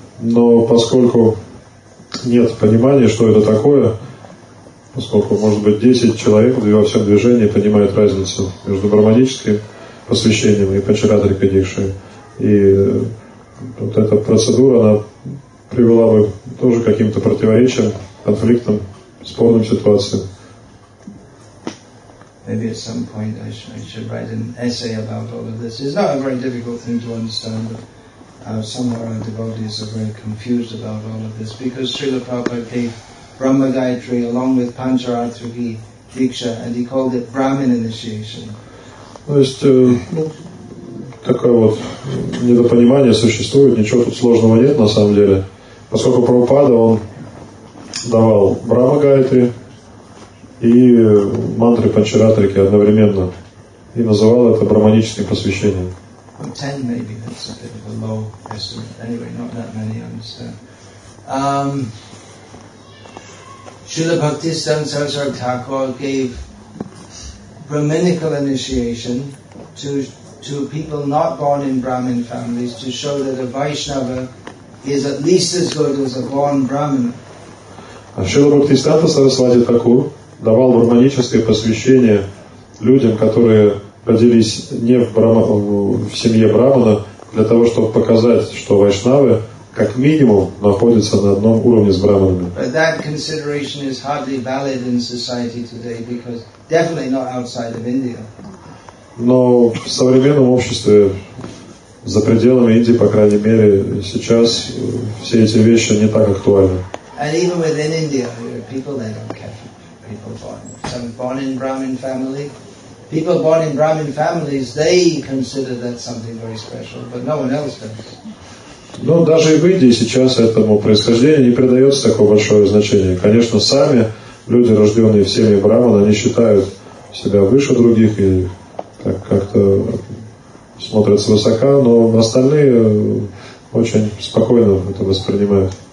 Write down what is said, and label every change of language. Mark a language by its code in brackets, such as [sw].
[ru] Но поскольку нет понимания, что это такое, поскольку, может быть, 10 человек во всем движении понимают разницу между брахманическим посвящением и пачаратрика дикши. И вот эта процедура, она привела бы тоже к каким-то противоречиям, конфликтам, спорным ситуациям. [en] Maybe at some point I should write an essay about all of this. It's not a very difficult thing to understand, but some of our devotees are very confused about all of this, because Srila Prabhupada gave Brahma Gayatri along with Pancharatruki Diksha, and he called it Brahmin initiation. [ru] То есть, такое вот недопонимание существует, ничего тут сложного нет на самом деле. Поскольку Прабхупада, он давал Брахма Гайатри и мантры Пачаратрики одновременно. И называл это брахманическим посвящением. [en] Ten maybe, that's a bit of a low estimate. Anyway, not that many, I understand. Srila Bhaktisiddhanta Saraswati Thakur gave brahminical initiation to people not born in Brahmin families to show that a Vaishnava is at least as good as a born Brahmin. [ru] Srila Bhaktisiddhanta Saraswati Thakur давал брахманическое посвящение людям, которые родились не в семье брахмана, для того, чтобы показать, что вайшнавы, как минимум, находятся на одном уровне с брахманами. [en] But that consideration is hardly valid in society today, because definitely not outside of India. [ru] Но в современном обществе, за пределами Индии, по крайней мере, сейчас все эти вещи не так актуальны. [en] And even within India, people they don't care. People born in Brahmin families, they consider that something very special, but no one else does. [ru] Но даже и в Индии сейчас этому происхождению не придается такого большого значения. Конечно, сами люди, рожденные в семье брахмана, они считают себя выше других и так как-то смотрятся высоко, но остальные очень спокойно это воспринимают.